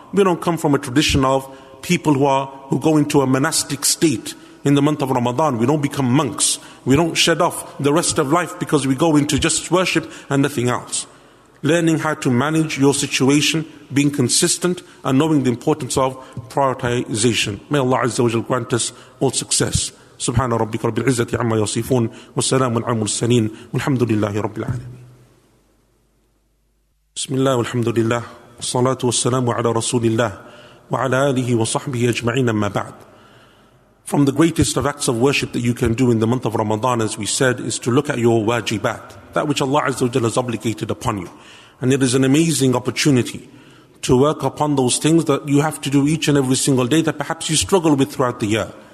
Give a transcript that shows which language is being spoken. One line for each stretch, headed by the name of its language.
English: We don't come from a tradition of people who go into a monastic state in the month of Ramadan. We don't become monks. We don't shed off the rest of life because we go into just worship and nothing else. Learning how to manage your situation, being consistent, and knowing the importance of prioritization. May Allah Azza wa Jal grant us all success.
Arabic: سبحان ربك رب العزة عما يصفون والسلام على المرسلين والحمد لله رب العالمين بسم الله والحمد لله والصلاة والسلام على رسول الله وعلى آله وصحبه أجمعين أما بعد.
English: From the greatest of acts of worship that you can do in the month of Ramadan, as we said, is to look at your wajibat, that which Allah Azza wa Jalla has obligated upon you. And it is an amazing opportunity to work upon those things that you have to do each and every single day that perhaps you struggle with throughout the year.